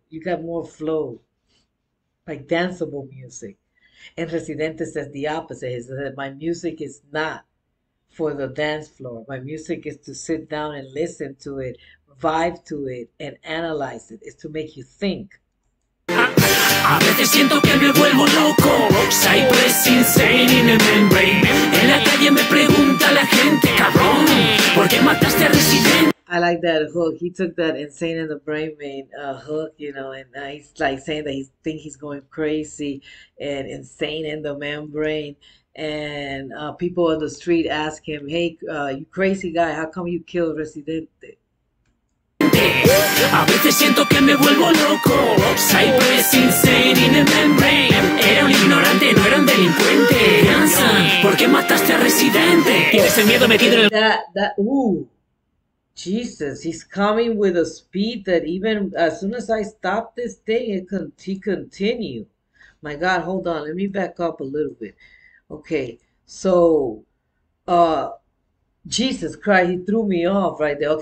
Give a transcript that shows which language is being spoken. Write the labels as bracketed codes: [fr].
[en] You got more flow, like danceable music. And Residente says the opposite. He says, my music is not for the dance floor. My music is to sit down and listen to it, vibe to it, and analyze it. It's to make you think. [es] A veces siento que me vuelvo loco. Cypress [en] insane in a membrane. [es] En la calle me pregunta la gente, cabrón, ¿por qué mataste a Residente? [en] I like that hook. He took that insane in the brain main hook, you know, and he's like saying that he think he's going crazy and insane in the membrane. And people on the street ask him, "Hey, you crazy guy? How come you killed Residente?" [es] A veces siento que me vuelvo loco. Cypress [en] insane in a membrane. [es] Era un ignorante, no era un delincuente. Gransan, ¿por qué mataste a Residente? Tienes el miedo metido en el. [en] Jesus, he's coming with a speed that even as soon as I stop this thing, it can he continue. My God, hold on, let me back up a little bit. Okay, so Jesus Christ, he threw me off right there.